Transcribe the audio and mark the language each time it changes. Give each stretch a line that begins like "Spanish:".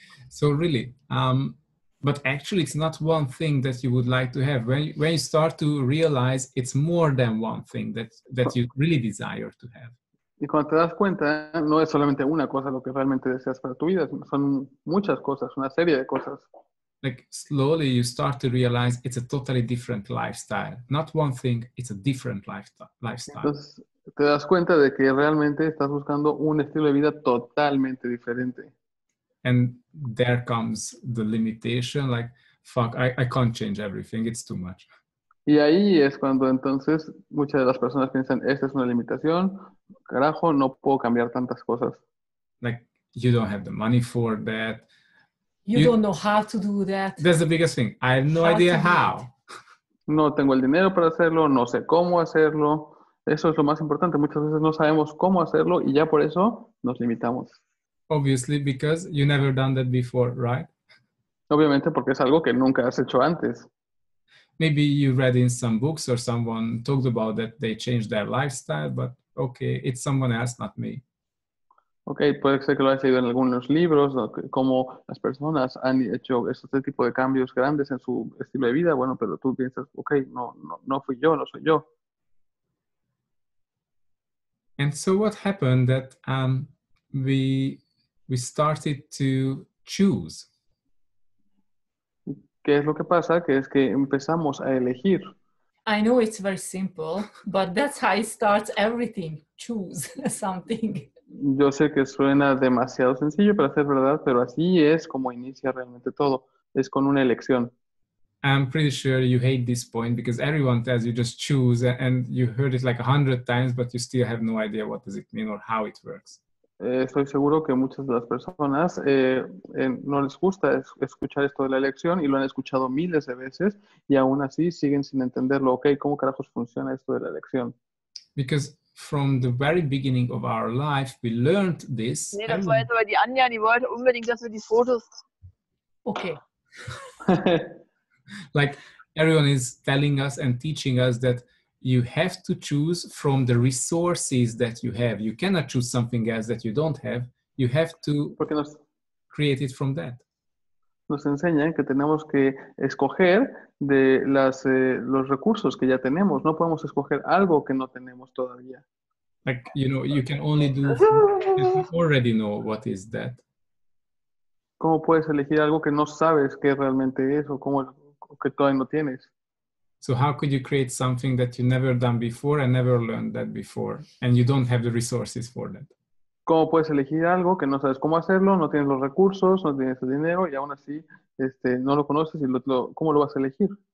English: So really, but actually it's not one thing that you would like to have. When you start to realize it's more than one thing that you really desire to have.
Spanish: Y cuando te das cuenta, no es solamente una cosa lo que realmente deseas para tu vida, son muchas cosas, una serie de cosas.
English: Like slowly you start to realize it's a totally different lifestyle. Not one thing, it's a different lifestyle.
Spanish: Entonces te das cuenta de que realmente estás buscando un estilo de vida totalmente diferente.
English: And there comes the limitation, like, fuck, I can't change everything, it's too much.
Spanish: Y ahí es cuando entonces muchas de las personas piensan, esta es una limitación, carajo, no puedo cambiar tantas cosas.
English: Like, you don't have the money for that. You don't know how to do that. That's the biggest thing. I have no idea how.
Spanish: No tengo el dinero para hacerlo, no sé cómo hacerlo. Eso es lo más importante. Muchas veces no sabemos cómo hacerlo y ya por eso nos limitamos.
English: Obviously, because you never done that before, right?
Spanish: Obviamente porque es algo que nunca has hecho antes.
English: Maybe you read in some books or someone talked about that they changed their lifestyle, but okay, it's someone else, not me.
Spanish: Okay, puede ser que lo hayas leído en algunos libros, cómo las personas han hecho este tipo de cambios grandes en su estilo de vida, bueno, pero tú piensas, okay, no fui yo, no soy yo.
English: And so what happened that we started to choose?
Spanish: ¿Qué es lo que pasa? Que es que empezamos a elegir.
English: I know it's very simple, but that's how it starts everything. Choose something.
Spanish: Yo sé que suena demasiado sencillo para ser verdad, pero así es como inicia realmente todo. Es con una elección.
English: I'm pretty sure you hate this point because everyone tells you just choose and you heard it like 100 times, but you still have no idea what does it mean or how it works.
Spanish: Estoy seguro que muchas de las personas no les gusta escuchar esto de la elección y lo han escuchado miles de veces y aún así siguen sin entenderlo. Okay, ¿cómo carajos funciona esto de la elección?
English: Because from the very beginning of our life, we learned this.
German: Nee, das war jetzt aber die Anja, die wollte unbedingt, dass wir die Fotos...
English: Okay. Like, everyone is telling us and teaching us that you have to choose from the resources that you have. You cannot choose something else that you don't have. You have to create it from that.
Spanish: Nos enseñan que tenemos que escoger de las los recursos que ya tenemos. No podemos escoger algo que no tenemos todavía.
English: Like, you know, you can only do if you already know what is that.
Spanish: ¿Cómo puedes elegir algo que no sabes qué realmente es o cómo que todavía no tienes?
English: So how could you create something that you never done before and never learned that before and you don't have the resources for that?
Spanish: ¿Cómo puedes elegir algo que no sabes cómo hacerlo, no tienes los recursos, no tienes el dinero y aún así no lo conoces y cómo lo vas a elegir?